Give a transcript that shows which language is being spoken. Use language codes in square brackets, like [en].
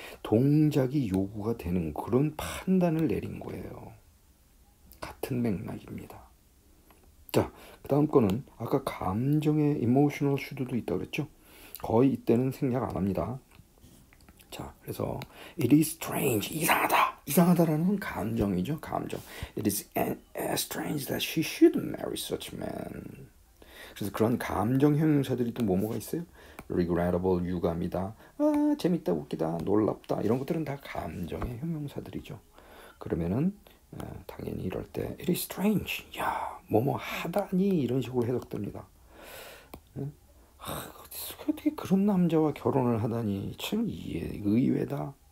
[ko] 동작이 요구가 되는 그런 판단을 내린 거예요. 같은 맥락입니다. 자, 그 다음 거는 아까 감정의 emotional should도 있다고 그랬죠? 거의 이때는 생략 안 합니다. 자, 그래서 it is strange, 이상하다. 이상하다라는 감정이죠. 감정. [en] It is strange that she should marry such man. [ko] 그래서 그런 감정 형용사들이 또 뭐뭐가 있어요? Regrettable, 유감이다. 아, 재밌다, 웃기다, 놀랍다. 이런 것들은 다 감정의 형용사들이죠. 그러면은 당연히 이럴 때 [en] It is strange. [ko] 야, 뭐뭐 하다니 이런 식으로 해석됩니다. 어떻게 그런 남자와 결혼을 하다니 참 의외다.